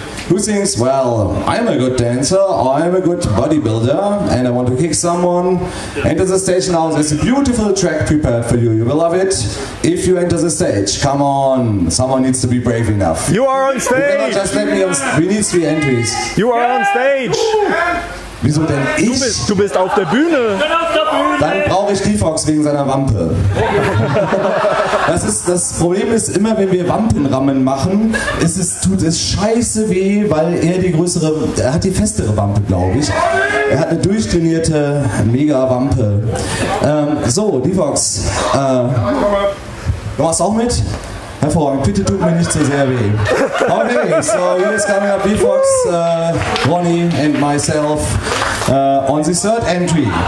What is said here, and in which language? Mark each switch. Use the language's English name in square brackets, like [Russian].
[English] Who thinks, well, I'm a good dancer, or I'm a good bodybuilder, and I want to kick someone? Enter the stage now. There's a beautiful track prepared for you. You will love it if you enter the stage. Come on, someone needs to be brave enough. You are on stage! You cannot just let me on we need three entries. You are on stage! [German] Wieso denn ich? Du bist auf der Bühne! Dann brauche ich D-Fox wegen seiner Wampe. Das Problem ist, immer wenn wir Wampenrammen machen, tut es scheiße weh, weil er die größere, er hat die festere Wampe, glaube ich. Er hat eine durchtrainierte Mega-Wampe. So, D-Fox. Du machst auch mit? Hervorragend, bitte tut mir nicht so sehr weh. [English] Okay, so here is coming up B-Fox, Ronnie and myself on the third entry.